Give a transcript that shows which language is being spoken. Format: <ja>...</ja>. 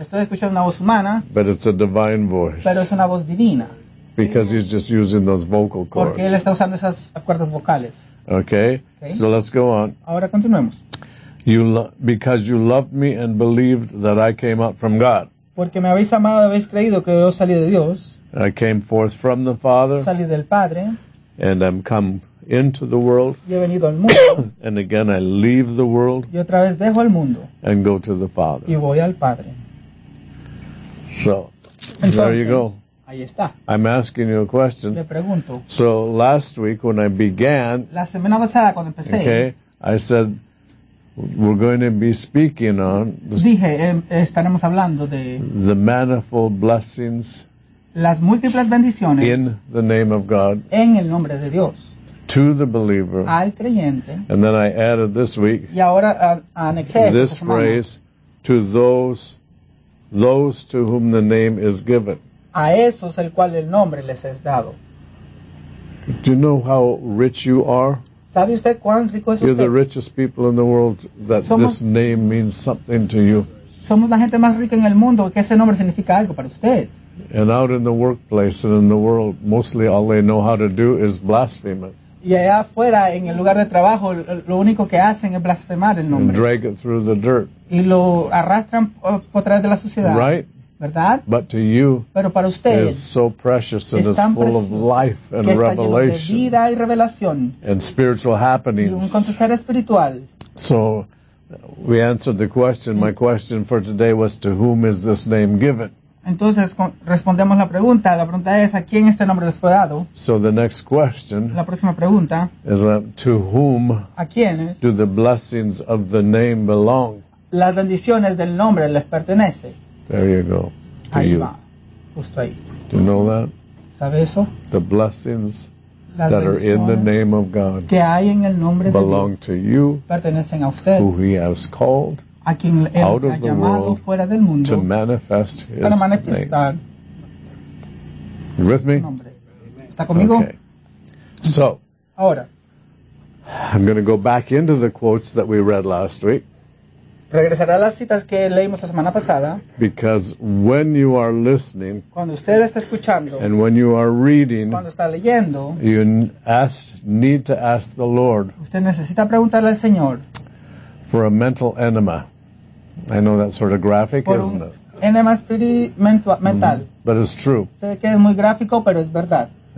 <es>Estoy escuchando una voz humana.</es> <en>But it's a divine voice.</en> <es>Pero es una voz divina.</es> <en>Because he's just using those vocal cords.</en> <es>Porque él está usando esas cuerdas vocales.</es> <en>Okay. So let's go on.</en> <es>Ahora continuemos.</es> <en>Because you loved me and believed that I came up from God.</en> <es>Porque me habéis amado, habéis creído que yo salí de Dios.</es> <en>I came forth from the Father.</en> <es>Salí del Padre.</es> <en>And I'm come into the world.</en> <es>Y he venido al mundo.</es> <en>And again I leave the world.</en> <es>Y otra vez dejo el mundo.</es> <en>And go to the Father.</en> <es>Y voy al Padre.</es> <en>So,</en> <es>entonces,</es> <en>there you go.</en> <es>Ahí está.</es> <en>I'm asking you a question.</en> <es>Le pregunto.</es> <en>So, last week when I began,</en> <es>la semana pasada cuando empecé,</es> <en>okay, I said, we're going to be speaking on</en> <es>dije, estaremos hablando de</es> <en>the manifold blessings,</en> <es>las múltiples bendiciones,</es> <en>in the name of God,</en> <es>en el nombre de Dios,</es> <en>to the believer,</en> <es>al creyente.</es> <en>And then I added this week,</en> <es>y ahora, anexé</es> <en>this</en> <es>semana,</es> <en>phrase, to those to whom the name is given.</en> <es>A esos el cual el nombre les es dado.</es> <en>Do you know how rich you are?</en> <es>¿Sabe usted cuán rico es usted?</es> <en>You're the richest people in the world, that</en> <es>somos,</es> <en>this name means something to you.</en> <es>Somos la gente más rica en el mundo, que ese nombre significa algo para usted.</es> <en>And out in the workplace and in the world, mostly all they know how to do is blaspheme it.</en> <es>Y allá afuera, en el lugar de trabajo, lo único que hacen es blasfemar el nombre.</es> <en>And drag it through the dirt.</en> <es>Y lo arrastran por través de la sociedad.</es> <en>Right.</en> <es>¿Verdad?</es> <en>But to you,</en> <es>pero para usted,</es> <en>is so precious and is full of life and revelation.</en> <es>Que está lleno de vida y revelación.</es> <en>And spiritual happenings.</en> <es>Y un acontecer espiritual.</es> <en>So, we answered the question. My question for today was, to whom is this name given?</en> <es>Entonces, respondemos la pregunta es, ¿a quién este nombre les fue dado?</es> <en>So the next question,</en> <es>la próxima pregunta,</es> <en>is to whom,</en> <es>¿a quiénes,</es> <en>do the blessings of the name belong?</en> <es>Las bendiciones del nombre les pertenece.</es> <en>There you go, to</en> <es>ahí</es> <en>you.</en> <es>Va, justo ahí.</es> <en>Do you know that?</en> <es>¿Sabe eso?</es> <en>The blessings</en> <es>las</es> <en>that are in the name of God,</en> <es>que hay en el nombre</es> <en>belong</en> <es>de Dios,</es> <en>to you,</en> <es>pertenecen a usted,</es> <en>who he has called,</en> <es>a quien él ha llamado</es> <en>the world,</en> <es>fuera del mundo,</es> <en>to manifest his</en> <es>para manifestar.</es> <en>You with me?</en> <es>¿Está conmigo?</es> <en>Okay. So,</en> <es>ahora,</es> <en>I'm going to go back into the quotes that we read last week.</en> <es>Regresaré a las citas que leímos la semana pasada.</es> <en>Because when you are listening,</en> <es>cuando usted está escuchando,</es> <en>and when you are reading,</en> <es>cuando está leyendo,</es> <en>need to ask the Lord,</en> <es>usted necesita preguntarle al Señor,</es> <en>for a mental enema. I know that's sort of graphic, isn't it?</en> <es>Enema mental. Mm-hmm.</es> <en>But it's true.</en> <es>Sé que es muy gráfico, pero es verdad.</es>